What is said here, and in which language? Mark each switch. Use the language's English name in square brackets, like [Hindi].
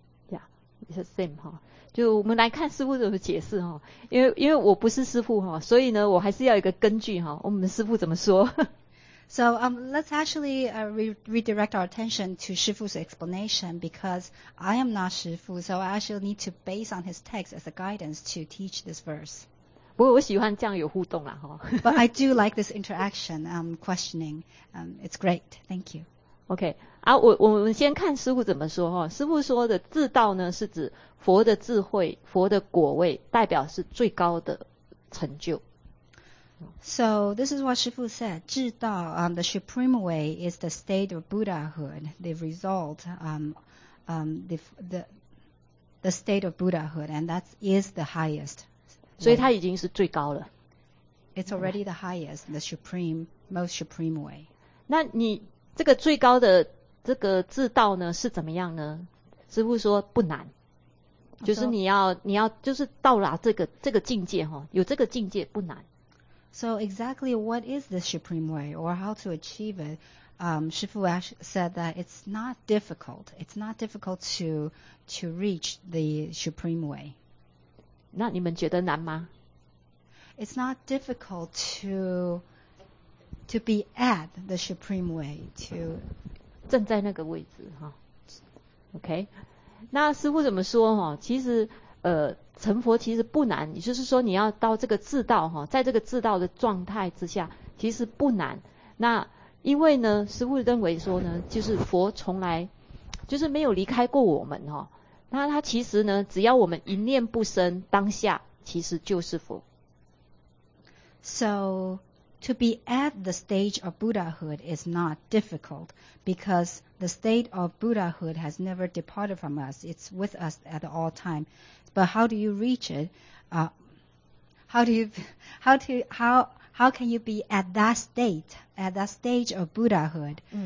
[English] Yeah it's the same [Chinese] 哈、哦就我们来看师父怎么解释哈，因为我不是师父哈，所以呢，我还是要一个根据哈，我们师父怎么说。 [English] So let's actually redirect our attention to 师父's explanation because I am not 师父 so I actually need to base on his text as a guidance to teach this verse. [Chinese] 不过我喜欢这样有互动啦哈。 [English] But I do like this interaction, questioning. It's great. Thank you. Okay. [Chinese] 啊，我们先看师父怎么说哈、哦。师父说的至道呢，是指佛的智慧、佛的果位，代表是最高的成就。 [English] So this is what 师父 said. 至道 the supreme way is the state of Buddhahood. The result, the state of Buddhahood, and that is the highest. [Chinese] 所以它已经是最高了。 [English] It's already the highest, the supreme, most supreme way. [Chinese] 那你这个最高的这个智道呢是怎么样呢？师父说不难，就是你要就是到达这个境界哈、哦，有这个境界不难。 [English] So exactly what is the supreme way or how to achieve it? 师父 said that it's not difficult. It's not difficult to reach the supreme way. [Chinese] 那你们觉得难吗 [English] ？It's not difficult to be at the supreme way to. [Chinese] 正在那个位置哈 ，OK。那师父怎么说哈？其实成佛其实不难，也就是说你要到这个智道哈，在这个智道的状态之下，其实不难。那因为呢，师父认为说呢，就是佛从来就是没有离开过我们哈。那他其实呢，只要我们一念不生，当下其实就是佛。 [English] So. To be at the stage of Buddhahood is not difficult because the state of Buddhahood has never departed from us. It's with us at all time. But how do you reach it? How can you be at that state, at that stage of Buddhahood?